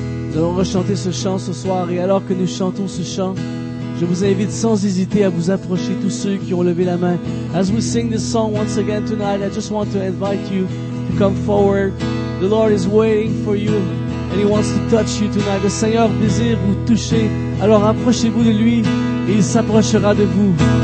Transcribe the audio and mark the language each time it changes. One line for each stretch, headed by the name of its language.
French: Nous allons rechanter ce chant ce soir, et alors que nous chantons ce chant, je vous invite sans hésiter à vous approcher tous ceux qui ont levé la main.
English: As we sing this song once again tonight, I just want to invite you to come forward. The Lord is waiting for you and he wants to touch you tonight.
French: Le Seigneur désire vous toucher, alors approchez-vous de lui et il s'approchera de vous.